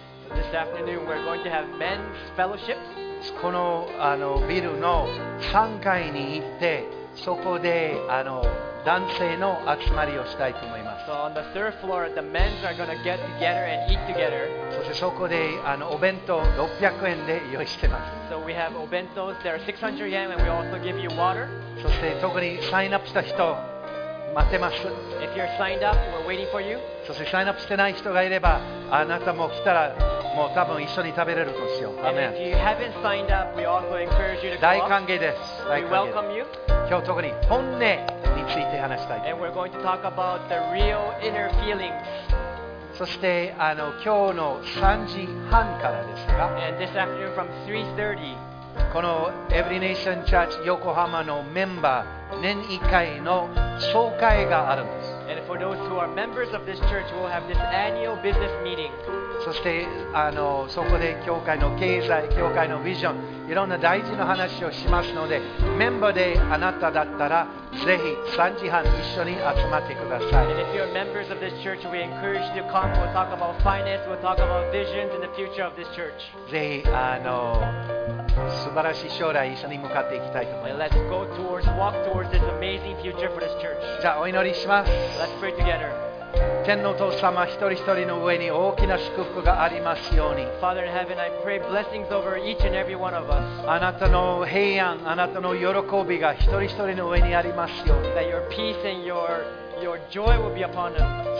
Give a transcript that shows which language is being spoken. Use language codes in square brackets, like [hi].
[en] So、this afternoon we're going to have men's fellowship. [ja] この、ビルの3階に行って、そこで、男性の集まりをしたいと思います。 [en] So、on the third floor, the men are going to get together and eat together. [ja] そしてそこで、お弁当600円で用意してます。 [en] So、we have obentos, there are 600 yen, and we also give you water. [ja] そして特にサインアップした人、待ってます。 [en] If you're signed up, we're waiting for you. [ja] そしてサインアップしてない人がいればあなたも来たらもう多分一緒に食べれるとしよう。アメン。 [en] If you haven't signed up, we also encourage you to come. [ja] 大歓迎です。 [en] We welcome you. [ja] 今日特に本音について話したいと思います。 [en] And we're going to talk about the real inner feelings. [ja] そして今日の3時半からですが、 [en] And this afternoon from 3:30, [ja] この Every Nation Church 横浜のメンバー年1回の総会があるんです。 [en] And for those who are members of this church, we'll have this annual business meeting. [ja] そしてそこで教会の経済、教会のビジョン、いろんな大事な話をしますので、メンバーであなただったらぜひ3時半一緒に集まってください。 [en] And if you're members of this church, we encourage you to come. We'll talk about finance. We'll talk about visions and the future of this church. [ja] ぜひ素晴らしい将来一緒に向かっていきたいと思います。 [en] Let's go towards, walk towards this amazing future for this church. [ja] じゃあお祈りします。 [en] Let's pray together. [ja] 天のお父様、一人一人の上に大きな祝福がありますように。 [en] Father in heaven, I pray blessings over each and every one of us. [ja] あなたの平安、あなたの喜びが一人一人の上にありますように。 [en] That your peace and your joy will be upon them.